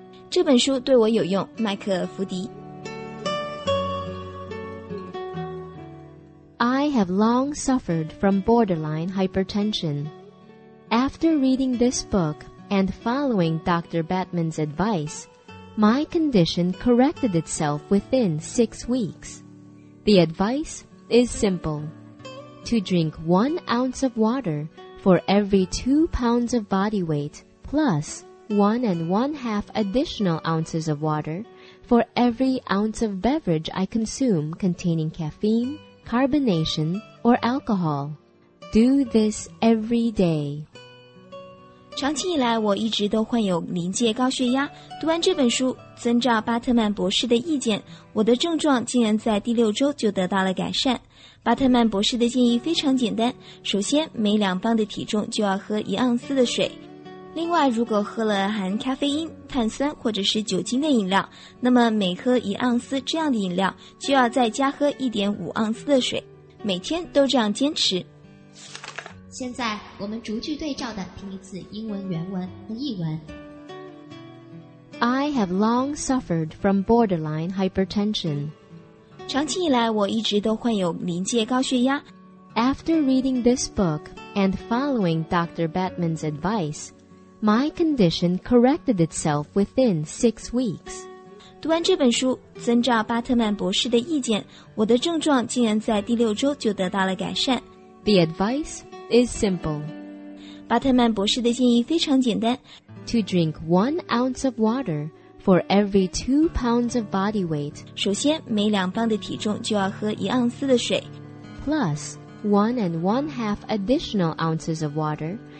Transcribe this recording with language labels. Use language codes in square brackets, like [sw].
[zh] 这本书对我有用，麦克·福迪。 [en] I have long suffered from borderline hypertension. After reading this book and following Dr. Batman's advice, my condition corrected itself within 6 weeks. The advice is simple. To drink 1 ounce of water for every 2 pounds of body weight plus 1.5 additional ounces of water for every ounce of beverage I consume containing caffeine,carbonation, or alcohol. Do this every day. [zh] 长期以来我一直都患有临界高血压，读完这本书，遵照巴特曼博士的意见，我的症状竟然在第六周就得到了改善。巴特曼博士的建议非常简单，首先每2磅的体重就要喝1盎司的水。另外，如果喝了含咖啡因、碳酸或者是酒精的饮料，那么每喝1盎司这样的饮料，就要再加喝1.5盎司的水，每天都这样坚持。现在我们逐句对照的听一次英文原文和译文。 [en] I have long suffered from borderline hypertension. [zh] 长期以来，我一直都患有临界高血压。 [en] After reading this book and following Dr. Batman's advice. My condition corrected itself within 6 weeks. [zh] 读完这本书，遵照巴特曼博士的意见，我的症状竟然在第六周就得到了改善。 [en] The advice is simple. [zh] 巴特曼博士的建议非常简单。 [en] To drink 1 ounce of water for every 2 pounds of body weight. [zh] 首先，每2磅的体重就要喝1盎司的水。 [en] Plus 1.5 additional ounces of water.